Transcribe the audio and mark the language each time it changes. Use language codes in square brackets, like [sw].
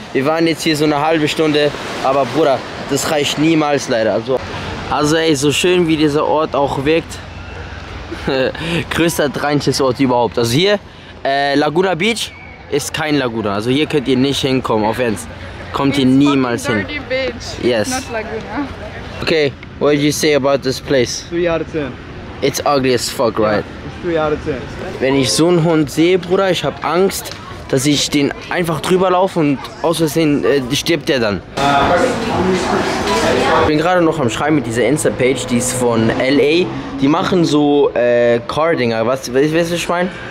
[de] Wir waren jetzt hier so eine halbe Stunde, aber Bruder, das reicht niemals leider. Also ey, so schön wie dieser Ort auch wirkt, größter dreinches Ort überhaupt. Also hier, Laguna Beach ist kein Laguna. Also hier könnt ihr nicht hinkommen, auf Ernst. Kommt ihr niemals hin. [en] Dirty Beach, yes. Not Laguna. Okay, what did you say about this place? 3 out of 10. It's ugly as fuck, right? Yeah, it's 3 out of 10. [de] Wenn ich so einen Hund sehe, Bruder, ich habe Angst, dass ich den einfach drüber laufe und aus Versehen stirbt der dann. Ich bin gerade noch am Schreiben mit dieser Insta-Page, die ist von LA. Die machen so Car-Dinger, weißt du, was ich meine?